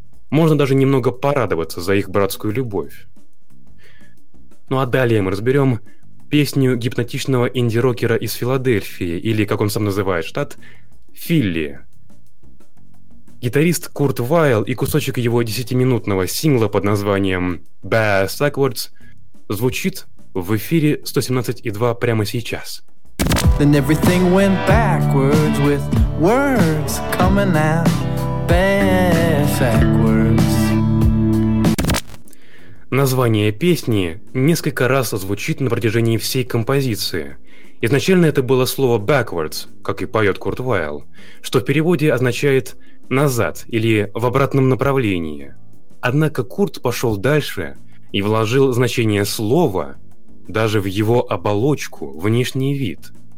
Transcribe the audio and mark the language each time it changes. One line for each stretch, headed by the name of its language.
Russian: Можно даже немного порадоваться за их братскую любовь. Ну а далее мы разберем песню гипнотичного инди-рокера из Филадельфии, или, как он сам называет штат, Филли. Гитарист Курт Вайл и кусочек его 10-минутного сингла под названием «Bass Backwards» звучит в эфире 117.2 прямо сейчас.
English: Then everything went backwards with words coming out backwards.
Russian: Название песни несколько раз звучит на протяжении всей композиции. Изначально это было слово backwards, как и поет Курт Вайл, что в переводе означает «назад» или «в обратном направлении». Однако Курт пошел дальше и вложил значение слова даже в его оболочку, внешний вид.